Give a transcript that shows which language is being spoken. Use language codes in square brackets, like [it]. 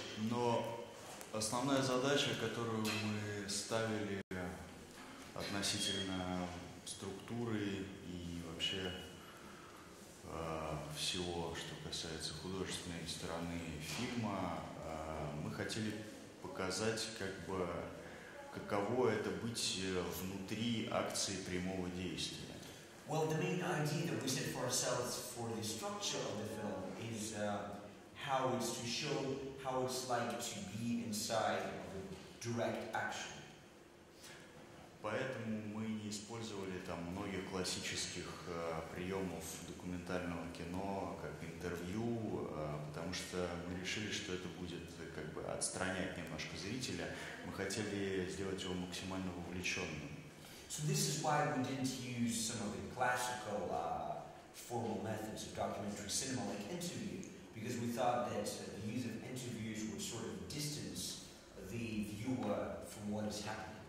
[ru] Но основная задача, которую мы ставили относительно структуры и вообще всего, что касается художественной стороны фильма, мы хотели показать, как бы, каково это быть внутри акции прямого действия. [en] Well, the main idea that we set for ourselves for the structure of the film is how it's to show how it's like to be inside of a direct action. [ru] Поэтому мы не использовали там многих классических приемов документального кино, как интервью, потому что мы решили, что это будет как бы отстранять немножко зрителя. Мы хотели сделать его максимально вовлеченным. [en] So this is why we didn't use some of the classical formal methods of documentary cinema like interview, because we thought that the use of interviews would sort of distance the viewer from what is happening.